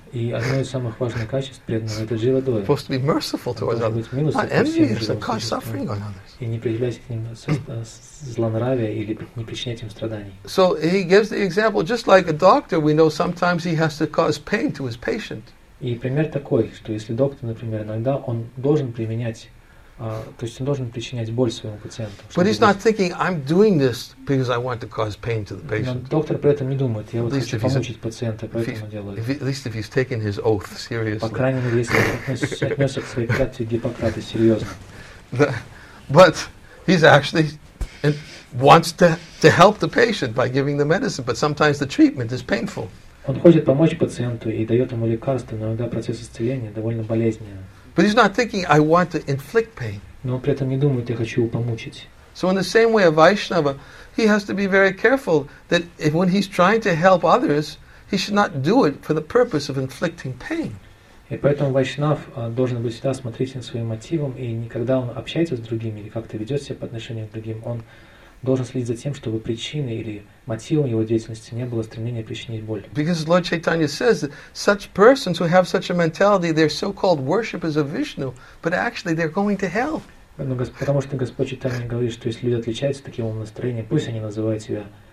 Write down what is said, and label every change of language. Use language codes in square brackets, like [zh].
[ru] И одно из самых важных качеств преданного это jiva doya. [en] Supposed to be merciful towards others, not envious and cause suffering on others. [ru] И не проявлять к ним злонравие или не причинять им страданий. [en] So he gives the example, just like a doctor, we know sometimes he has to cause pain to his patient. [ru] И пример такой, что если доктор, например, иногда он должен применять то есть он должен причинять боль своему пациенту. [en] But he's not thinking, I'm doing this because I want to cause pain to the patient. [ru] Но доктор при этом не думает, я вот хочу помучить пациента, поэтому делаю. [en] At least if he's taking his oath seriously. [ru] По крайней мере, если отнесся к своей клятве Гиппократа серьезно. [en] But he's actually wants to help the patient by giving the medicine, but sometimes the treatment is painful. [ru] Он хочет помочь пациенту и дает ему лекарства, но иногда процесс исцеления довольно болезненный. [en] But he's not thinking, I want to inflict pain. [ru] Но при этом не думает, я хочу помучить. [en] So in the same way, a Vaishnava, he has to be very careful that if when he's trying to help others, he should not do it for the purpose of inflicting pain. [ru] И поэтому Вайшнав должен быть всегда осмотрительным своим мотивом, и никогда он общается с другими или как-то ведет себя по отношению к другим, он должен следить за тем, чтобы причиной или мотивом его деятельности не было стремление причинить боль. [en] Because Lord Chaitanya says that such persons who have such a mentality, they're so-called worshippers of Vishnu, but actually they're going to hell. [ru] Потому что Господь Чайтанья говорит, что если люди отличаются таким настроением, пусть они называют себя